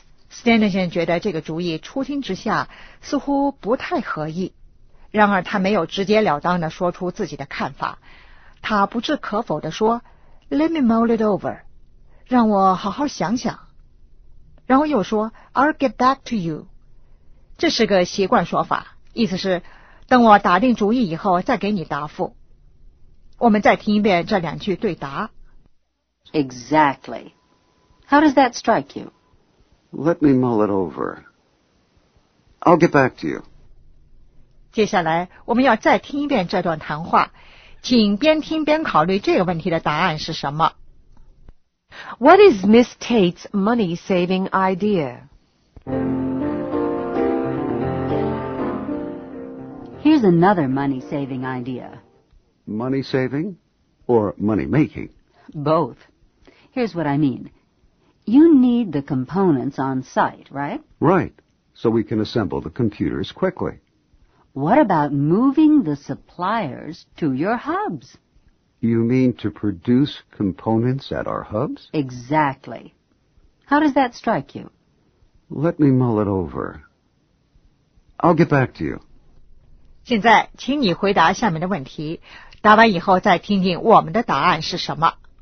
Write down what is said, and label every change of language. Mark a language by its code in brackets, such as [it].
[zh] Stanley 先生觉得这个主意初听之下似乎不太合意，然而他没有直截了当地说出自己的看法。他不置可否地说， [en] Let me mull it over. [zh] 让我好好想想。然后又说 [en] I'll get back to you. [zh] 这是个习惯说法，意思是等我打定主意以后再给你答复。我们再听一遍这两句对答。 [en] Exactly. How does that strike you? Let me mull it over. I'll get back to you. [zh] 接下来我们要再听一遍这段谈话，请边听边考虑这个问题的答案是什么。 [en] What is Miss Tate's money-saving idea? Here's another money-saving idea. Money-saving or money-making? Both. Here's what I mean. You need the components on site, right? Right. So we can assemble the computers quickly. What about moving the suppliers to your hubs? You mean to produce components at our hubs? Exactly. How does that strike you? Let me mull it over. I'll get back to you. [zh] 现在，请你回答下面的问题，答完以后再听听我们的答案是什么。